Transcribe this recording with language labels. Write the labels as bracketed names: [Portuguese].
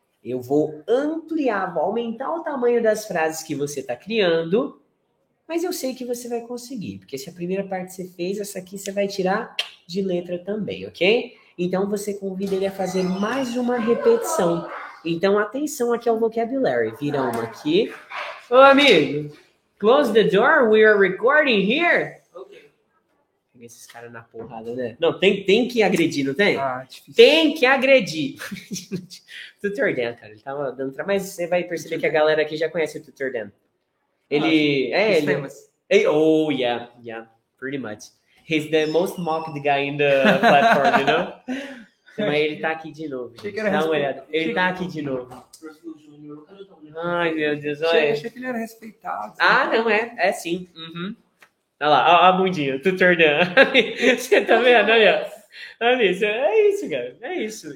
[Portuguese] Eu vou ampliar, vou aumentar o tamanho das frases que você está criando. Mas eu sei que você vai conseguir, porque se a primeira parte você fez, essa aqui você vai tirar de letra também, ok? Então você convida ele a fazer mais uma repetição. Então atenção aqui ao vocabulary. Vira uma aqui. Ô amigo, [English] close the door, we are recording here. [Portuguese] Ok. Peguei esses caras na porrada, né? Não, tem que agredir, não tem? Ah, difícil. Tem que agredir. Tutor Dan, cara, ele tava dando trabalho, mas você vai perceber que a galera aqui já conhece o Tutor Dan. Ele, ah, é, ele é, [English] oh, yeah, yeah, pretty much. He's the most mocked guy in the platform, you know? [Portuguese] Mas ele tá aqui de novo, gente. Dá uma olhada. Ele tá aqui de novo. Ai, meu Deus, olha. Achei que ele era respeitado. Ah, não, é, é sim. Uhum. Olha lá, olha a bundinha, Tutor Dan. Você tá vendo, olha. Olha, é isso, cara, é isso.